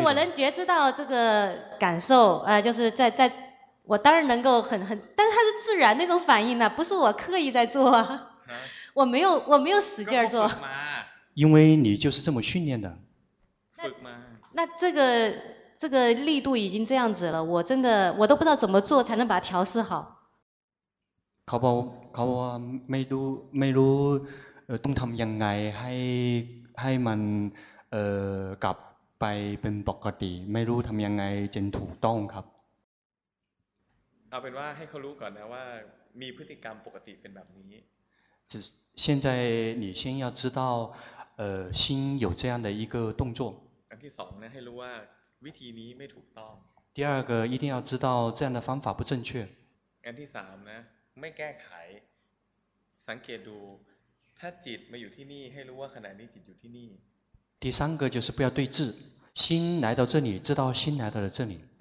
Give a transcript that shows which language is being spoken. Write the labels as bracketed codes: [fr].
[zh] 我能觉知到这个感受，就是在我当然能够很，但是它是自然那种反应呢、啊，不是我刻意在做、啊，我没有使劲做。因为你就是这么训练的。那这个力度已经这样子了，我都不知道怎么做才能把它调试好。 [th] เขาบอกว่าไม่รู้ต้องทำยังไงให้มันกลับไปเป็นปกติไม่รู้ทำยังไงจึงถูกต้องครับ เอาเป็นว่าให้เขารู้ก่อนนะว่ามีพฤติกรรมปกติเป็นแบบนี้ [zh] 只现在你先要知道心有这样的一个动作 [th] อันที่สองนะให้รู้ว่าวิธีนี้ไม่ถูกต้อง [zh] 第二个一定要知道这样的方法不正确 [th] อันที่สามนะไม่แก้ไขสังเกตดูถ้าจิตมาอยู่ที่นี่ให้รู้ว่าขณะนี้จิตอยู่ที่นี่ [zh] 第三个就是不要对峙心来到这里知道心来到了这里